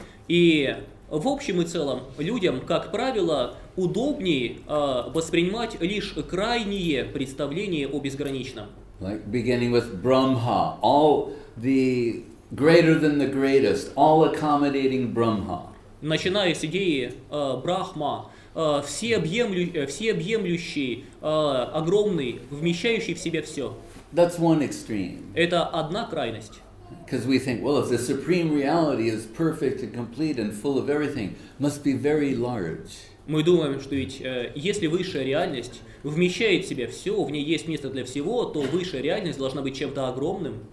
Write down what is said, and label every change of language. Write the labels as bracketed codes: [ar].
[ru] И в общем и целом людям, как правило, удобнее воспринимать лишь крайние представления о безграничном. [en] Like beginning with Brahma, all the greater than the greatest, all accommodating Brahma. [ru] Начиная с идеи Брахма, всеобъемлющий, огромный, вмещающий в себя все. [en] That's one extreme. [ru] Это одна крайность. [en] Because we think, well, if the supreme reality is perfect and complete and full of everything, must be very large. [ru] Мы думаем, что ведь если высшая реальность вмещает в себя все, в ней есть место для всего, то высшая реальность должна быть чем-то огромным.